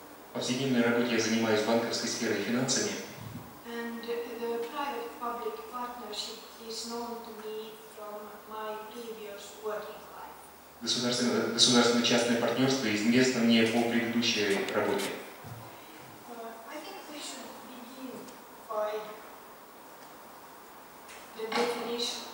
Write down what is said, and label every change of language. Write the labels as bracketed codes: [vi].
[ru] В повседневной работе я занимаюсь банковской сферой и финансами. [en] And the private-public partnership is known to me from my previous working life. [ru] Государственно-частное партнерство известно мне по предыдущей работе. [en] I think we should begin by the definition.